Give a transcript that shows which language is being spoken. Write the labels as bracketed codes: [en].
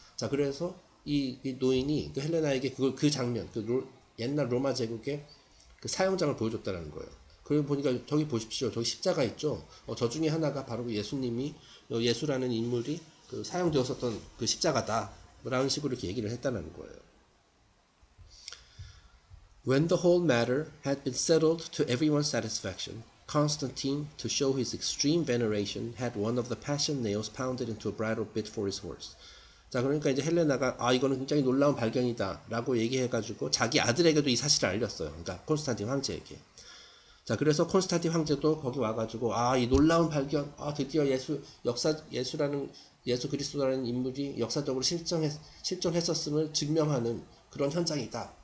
[ko] 자, 그래서 이 노인이 그 헬레나에게 그 장면, 옛날 로마 제국의 그 사형장을 보여줬다는 거예요. 그리고 보니까 저기 보십시오. 저기 십자가 있죠. 저 중에 하나가 바로 예수님이 예수라는 인물이 그 사용되었었던 그 십자가다. 라는 식으로 이렇게 얘기를 했다는 거예요. [en] When the whole matter had been settled to everyone's satisfaction, Constantine, to show his extreme veneration, had one of the passion nails pounded into a bridle bit for his horse. [ko] 자, 그러니까 이제 헬레나가 아, 이거는 굉장히 놀라운 발견이다 라고 얘기해가지고 자기 아들에게도 이 사실을 알렸어요. 그러니까 콘스탄틴 황제에게. 자, 그래서 콘스탄틴 황제도 거기 와가지고 아, 이 놀라운 발견, 아, 드디어 예수 그리스도라는 인물이 역사적으로 실존했었음을 증명하는 그런 현장이다.